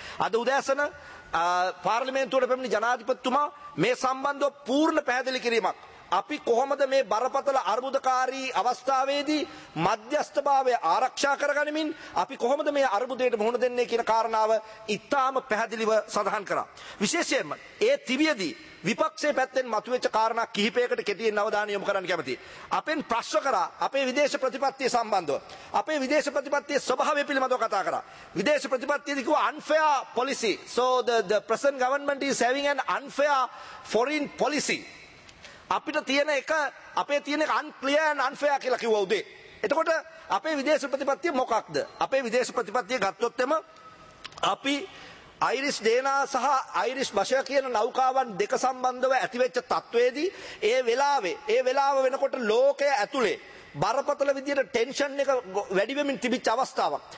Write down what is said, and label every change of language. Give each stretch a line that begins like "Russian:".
Sinhala: අද උදෑසන පාර්ලිමේන්තුවට පැමිණි ජනාධිපතිතුමා මේ සම්බන්ධව පූර්ණ පැහැදිලි කිරීමක්, අපි කොහොමද මේ බරපතල අර්බුදකාරී අවස්ථාවේදී මධ්‍යස්ථභාවය ආරක්ෂා කරගනිමින් අපි කොහොමද මේ අර්බුදයට මුහුණ දෙන්නේ කියන කාරණාව ඉතාම පැහැදිලිව සඳහන් කරා. විශේෂයෙන්ම ඒ තිබියදී විපක්ෂයේ පැත්තෙන් මතුවෙච්ච කාරණා කිහිපයකට කෙටියෙන් අවධානය යොමු කරන්න කැමතියි. අපෙන් ප්‍රශ්න කරා අපේ විදේශ ප්‍රතිපත්තිය සම්බන්ධව, අපේ විදේශ ප්‍රතිපත්තියේ ස්වභාවය පිළිබඳව කතා කරා. විදේශ ප්‍රතිපත්තියේදී කිව්වා
English: unfair policy. So the present government is having an unfair foreign policy.
Sinhala: අපිට තියෙන එක, අපේ තියෙන එක
English: unclear and unfair
Sinhala: කියලා කිව්වා උදේ. එතකොට අපේ විදේශ ප්‍රතිපත්තිය මොකක්ද? අපේ විදේශ ප්‍රතිපත්තිය ගත්තොත් එම අපි අයිරිස් දේනා සහ අයිරිස් භෂය කියන නෞකාවන් දෙක සම්බන්ධව ඇතිවෙච්ච තත්ත්වයේදී ඒ වෙලාව වෙනකොට ලෝකය ඇතුලේ බරපතල විදිහට ටෙන්ෂන් එක වැඩි වෙමින් තිබිච්ච අවස්ථාවක්.